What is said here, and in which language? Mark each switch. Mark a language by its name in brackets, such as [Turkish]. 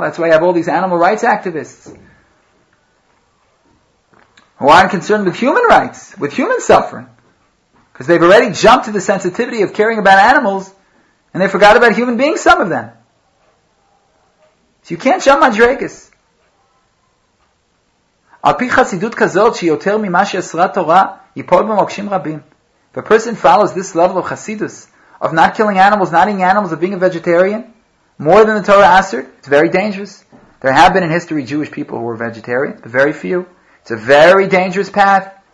[English] That's why you have all these animal rights activists who aren't concerned with human rights, with human suffering. Because they've already jumped to the sensitivity of caring about animals and they forgot about human beings, some of them. So you can't jump on Drakus. [Hebrew] על פי חסידות כזאת שיותר ממה שעשרה תורה ייפול במוקשים רבים. [English] If a person follows this level of chasidus, of not killing animals, not eating animals, of being a vegetarian, more than the Torah asked, it's very dangerous. There have been in history Jewish people who were vegetarian, but very few. It's a very dangerous path.